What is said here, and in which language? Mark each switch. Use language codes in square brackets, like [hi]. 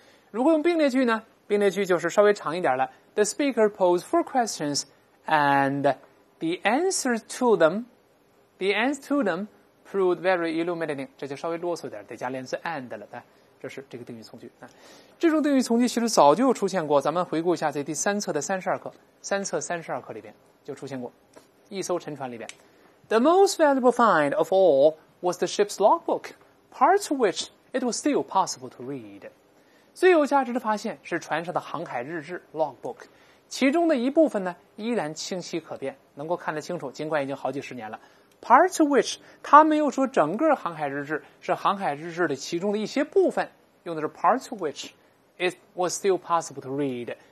[zh] 如果用并列句呢，并列句就是稍微长一点了， [en] the speaker posed four questions and the answer to themThe answer to them proved very illuminating， [zh] 这就稍微啰嗦点，得加连词 and 了，这是这个定语从句。这种定语从句其实早就出现过，咱们回顾一下在第三册的三册32课里边就出现过，一艘沉船里边。 [en] The most valuable find of all was the ship's logbook, parts of which it was still possible to read。 [zh] 最有价值的发现是船上的航海日志 logbook，其中的一部分呢依然清晰可辨，能够看得清楚，尽管已经好几十年了。 [en] Parts of which， [zh] 他没有说整个航海日志，是航海日志的其中的一些部分，用的是 [en] parts of which it was still possible to read。